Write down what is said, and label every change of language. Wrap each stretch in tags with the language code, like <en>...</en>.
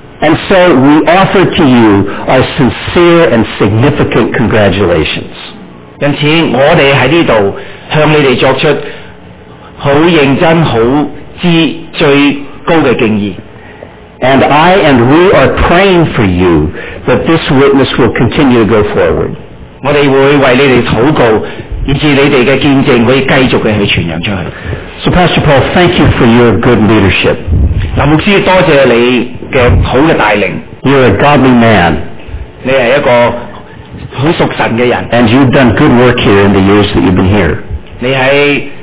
<en>And so we offer to you our sincere and significant congratulations.</en> <zh>因此我们在这里向你们作出很认真、很知、最高的敬意。</zh> <en>And I and we are praying for you that this witness will continue to go forward.</en> <zh>我们会为你们祷告,以致你们的见证会继续地去传扬出去。</zh> <en>So Pastor Paul, thank you for your good leadership.</en> <zh>牧师,多谢你的好的带领。</zh> <en>You're a godly man.</en> <zh>你是一个很属神的人。</zh> <en>And you've done good work here in the years that you've been here.</en>